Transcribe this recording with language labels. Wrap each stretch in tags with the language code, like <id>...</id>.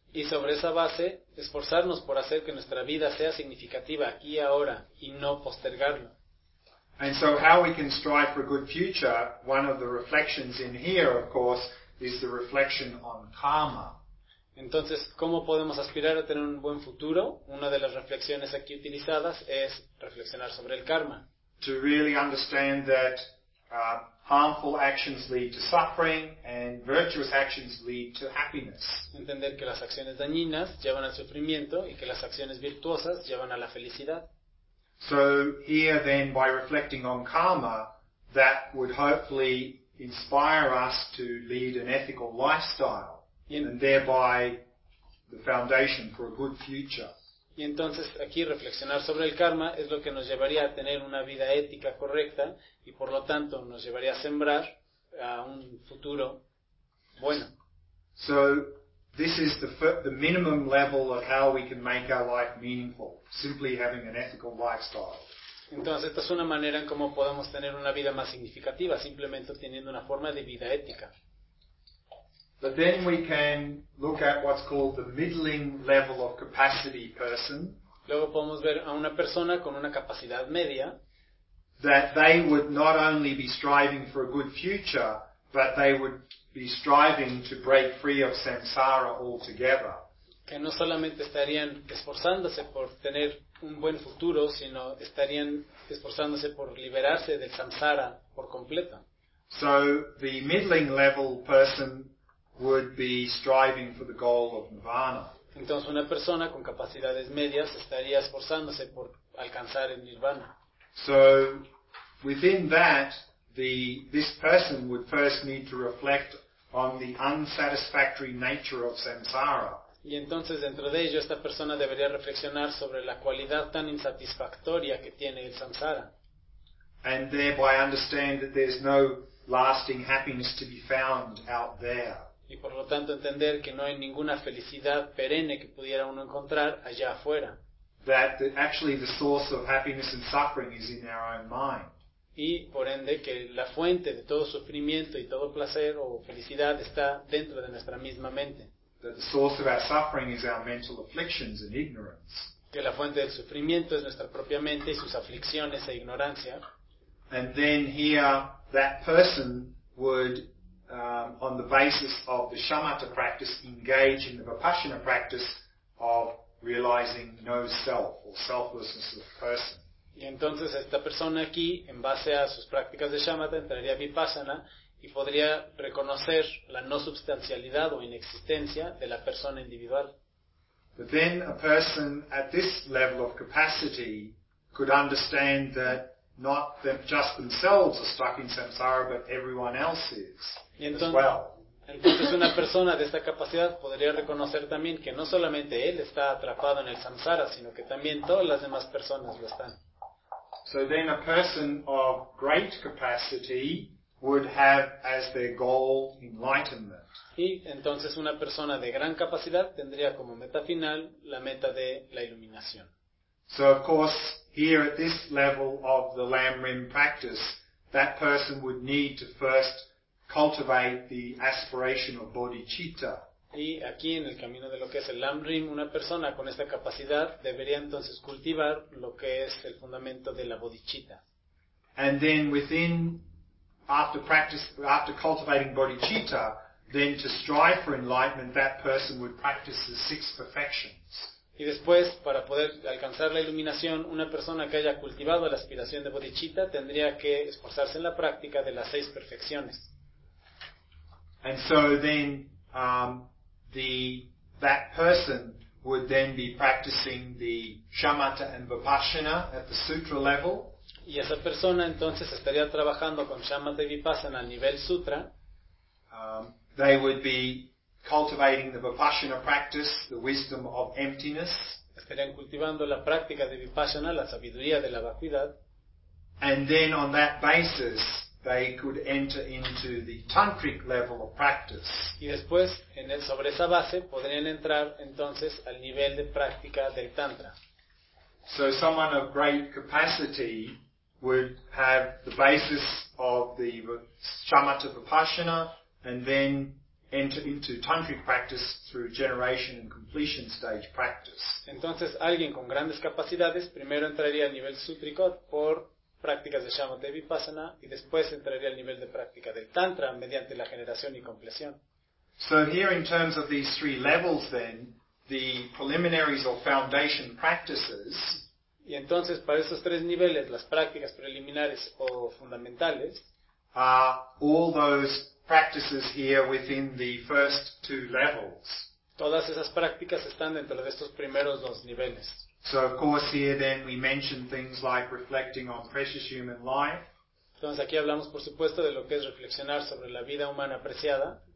<es>Y sobre esa base, esforzarnos por hacer que nuestra vida sea significativa aquí y ahora y no postergarlo.</es> <en>And so how we can strive for a good future, one of the reflections in here, of course, is the reflection on karma.</en> <es>Entonces, ¿cómo podemos aspirar a tener un buen futuro? Una de las reflexiones aquí utilizadas es reflexionar sobre el karma.</es> <en>To really understand that harmful actions lead to suffering and virtuous actions lead to happiness.</en> <es>Entender que las acciones dañinas llevan al sufrimiento y que las acciones virtuosas llevan a la felicidad.</es> <en>So here then, by reflecting on karma, that would hopefully inspire us to lead an ethical lifestyle and thereby the foundation for a good future.</en> <es>Y entonces aquí reflexionar sobre el karma es lo que nos llevaría a tener una vida ética correcta y por lo tanto nos llevaría a sembrar a un futuro bueno.</es> <en>So this is the minimum level of how we can make our life meaningful, simply having an ethical lifestyle.</en> <es>Entonces esta es una manera en cómo podemos tener una vida más significativa, simplemente teniendo una forma de vida ética.</es> <en>But then we can look at what's called the middling level of capacity person.</en> <es>Luego podemos ver a una persona con una capacidad media.</es> <en>That they would not only be striving for a good future, but they would be striving to break free of samsara altogether.</en> <es>Que no solamente estarían esforzándose por tener un buen futuro, sino estarían esforzándose por liberarse del samsara por completo.</es> <en>So the middling level person would be striving for the goal of nirvana.</en> <es>Entonces una persona con capacidades medias estaría esforzándose por alcanzar el nirvana.</es> <en>So within that, this person would first need to reflect on the unsatisfactory nature of samsara.</en> <es>Y entonces dentro de ello esta persona debería reflexionar sobre la cualidad tan insatisfactoria que tiene el samsara.</es> <en>And thereby understand that there's no lasting happiness to be found out there.</en> <es>Y por lo tanto entender que no hay ninguna felicidad perenne que pudiera uno encontrar allá afuera.</es> <en>That actually the source of happiness and suffering is in our own mind.</en> <es>Y por ende que la fuente de todo sufrimiento y todo placer o felicidad está dentro de nuestra misma mente.</es> <en>That the source of our suffering is our mental afflictions and ignorance.</en> <es>Que la fuente del sufrimiento es nuestra propia mente y sus aflicciones e ignorancia.</es> <en>And then here that person would on the basis of the shamatha practice engage in the vipassana practice of realizing no self or selflessness of person.</en> <es>Y entonces esta persona aquí en base a sus prácticas de shamatha entraría a vipassana y podría reconocer la no substancialidad o inexistencia de la persona individual.</es> <en>But then a person at this level of capacity could understand that not them, just themselves are stuck in samsara, but everyone else is as well.</en> <es>Entonces una persona de esta capacidad podría reconocer también que no solamente él está atrapado en el samsara, sino que también todas las demás personas lo están.</es> <en>So then a person of great capacity would have as their goal enlightenment.</en> <es>Y entonces una persona de gran capacidad tendría como meta final la meta de la iluminación.</es> <en>So of course, here at this level of the Lam Rim practice, that person would need to first cultivate the aspiration of bodhicitta.</en> <es>Y aquí en el camino de lo que es el Lam Rim, una persona con esta capacidad debería entonces cultivar lo que es el fundamento de la bodhicitta.</es> <en>And then within after cultivating bodhicitta, then to strive for enlightenment, that person would practice the six perfections.</en> <es>Y después, para poder alcanzar la iluminación, una persona que haya cultivado la aspiración de bodhicitta tendría que esforzarse en la práctica de las seis perfecciones.</es> <en>And so then, that person would then be practicing the shamatha and vipassana at the sutra level.</en> <es>Y esa persona entonces estaría trabajando con shamatha y vipassana al nivel sutra.</es> <en>They would be cultivating the vipassana practice, the wisdom of emptiness.</en> <es>Estarían cultivando la práctica de vipassana, la sabiduría de la vacuidad.</es> <en>And then on that basis, they could enter into the tantric level of practice.</en> <es>Y después, sobre esa base, podrían entrar entonces al nivel de práctica del tantra.</es> <en>So someone of great capacity would have the basis of the shamatha vipassana and then enter into tantric practice through generation and completion stage practice.</en> <es>Entonces, alguien con grandes capacidades primero entraría al nivel sútrico por prácticas de shamatha vipassana y después entraría al nivel de práctica del tantra mediante la generación y compleción.</es> <en>So here in terms of these three levels then, the preliminaries or foundation practices.</en> <es>Y entonces para esos tres niveles, las prácticas preliminares o fundamentales,</es> <en>are all those practices here within the first two levels.</en> <es>Todas esas prácticas están dentro de estos primeros dos niveles.</es> <en>So of course here then we mention things like reflecting on precious human life.</en> <es>Entonces aquí hablamos por supuesto de lo que es reflexionar sobre la vida humana apreciada.</es>